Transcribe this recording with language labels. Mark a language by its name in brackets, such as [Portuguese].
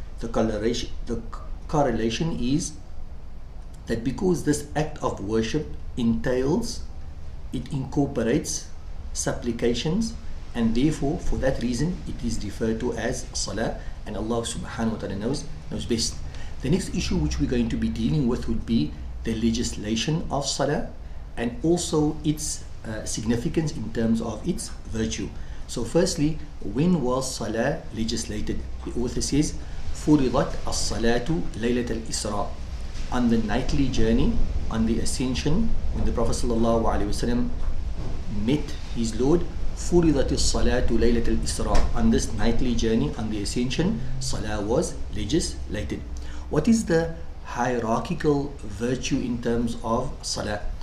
[English] The correlation is that because this act of worship entails, it incorporates supplications, and therefore for that reason it is referred to as Salah, and Allah subhanahu wa ta'ala knows best. The next issue which we're going to be dealing with would be the legislation of Salah and also its significance in terms of its virtue. So firstly, when was Salah legislated? The author says, [Arabic] فُرِضَتْ الصَّلَاةُ لَيْلَةَ الْإِسْرَاءِ. [English] On the nightly journey, on the ascension, when the Prophet sallallahu alaihi wasallam met his Lord, [Arabic] فُرِضَتِ الصَّلَاةُ لَيْلَةَ الْإِسْرَاءِ. [English] On this nightly journey, on the ascension, Salah was legislated. What is the hierarchical virtue in terms of Salah?